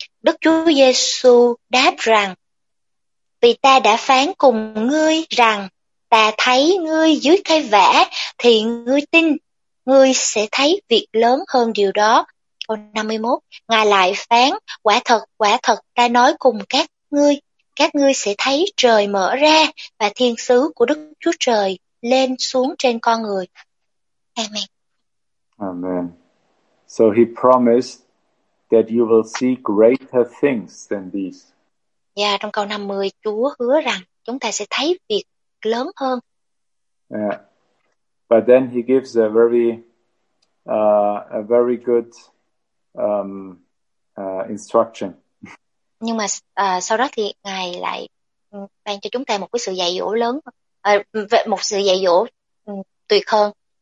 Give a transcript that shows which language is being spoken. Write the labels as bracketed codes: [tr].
[vi] Đức Chúa Giêsu đáp rằng: Vì ta đã phán cùng ngươi rằng, ta thấy ngươi dưới cây vả thì ngươi tin, ngươi sẽ thấy việc lớn hơn điều đó. Câu 51. Ngài lại phán: Quả thật ta nói cùng các ngươi sẽ thấy trời mở ra và thiên sứ của Đức Chúa Trời lên xuống trên con người. Amen. Amen. [en] So he promised that you will see greater things than these. [vi] Yeah, trong câu 50, Chúa hứa rằng chúng ta sẽ thấy việc lớn hơn. Yeah. [en] But then he gives a very good instruction. [vi] Nhưng mà sau đó thì ngài lại ban cho chúng ta một cái sự dạy dỗ lớn, một sự dạy dỗ tuyệt hơn.